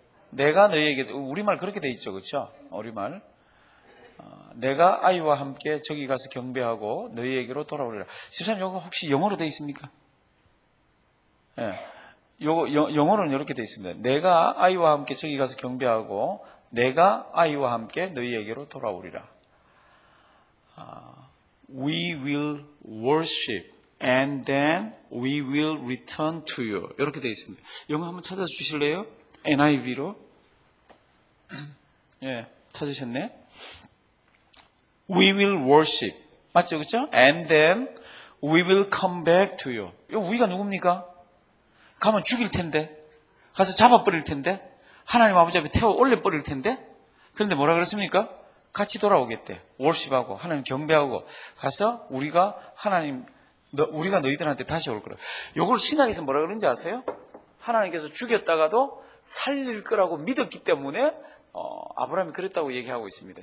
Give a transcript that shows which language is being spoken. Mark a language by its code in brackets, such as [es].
[ko] 내가 너희에게, 우리말 그렇게 돼 있죠. 그렇죠? 우리말. 내가 아이와 함께 저기 가서 경배하고 너희에게로 돌아오리라. 13, 이거 혹시 영어로 돼 있습니까? 예. 요거 영어로는 이렇게 돼 있습니다. 내가 아이와 함께 저기 가서 경배하고 내가 아이와 함께 너희에게로 돌아오리라. [en] We will worship and then we will return to you. [ko] 이렇게 돼 있습니다. 영어 한번 찾아 주실래요? NIV로. 예, 찾으셨네. [en] We will worship. [ko] 맞죠? 그렇죠? [en] And then we will come back to you. [ko] 요 we가 누굽니까? 가면 죽일 텐데, 가서 잡아버릴 텐데, 하나님 아버지 앞에 태워 올려버릴 텐데, 그런데 뭐라 그랬습니까? 같이 돌아오겠대. 월십하고 하나님 경배하고 가서 우리가 하나님, 우리가 너희들한테 다시 올 거라. 요걸 신학에서 뭐라 그런지 아세요? 하나님께서 죽였다가도 살릴 거라고 믿었기 때문에 아브라함이 그랬다고 얘기하고 있습니다.